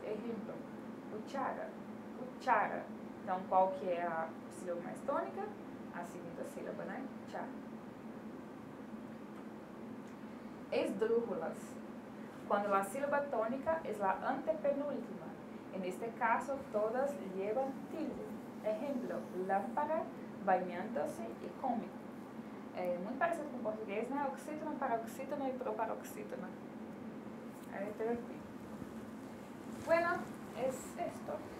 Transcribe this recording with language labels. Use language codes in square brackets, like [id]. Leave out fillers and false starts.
[pt] Exemplo, cuchara. Cuchara. Então, qual que é a sílaba mais tônica? A segunda sílaba, né? Tchau. Esdrújulas. Quando a sílaba tônica é a antepenúltima. [es] En este caso, todas llevan tilde. [pt] Exemplo, lámpara, bañándose e come. É muito parecido com o português, né? Oxítona, paroxítona e proparoxítona. É tranquilo. Bueno, é isto.